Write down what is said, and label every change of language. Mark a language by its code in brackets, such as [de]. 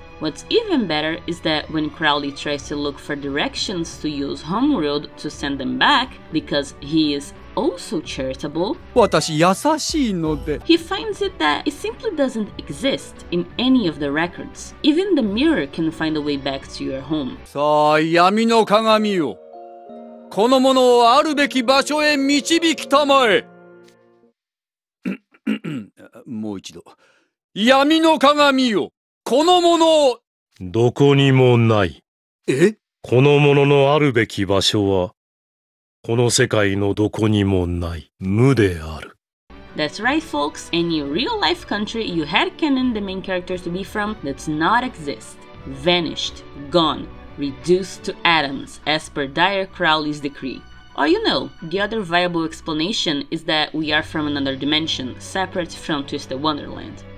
[en] What's even better is that when Crowley tries to look for directions to use homeworld to send them back, because he is also charitable, [ja] 私優しいので... [en] he finds it that it simply doesn't exist in any of the records. Even the mirror can find a way back to your home. [ja] さあ、闇の鏡を! この者をあるべき場所へ導きたまえ。もう一度。闇の鏡よ、この者を。どこにもない。え、この者のあるべき場所はこの世界のどこにもない、無である。 [en] That's right folks, any real life country you had canon the main character to be from does not exist. Vanished, gone, reduced to atoms as per Dire Crowley's decree. Or you know, the other viable explanation is that we are from another dimension, separate from Twisted Wonderland.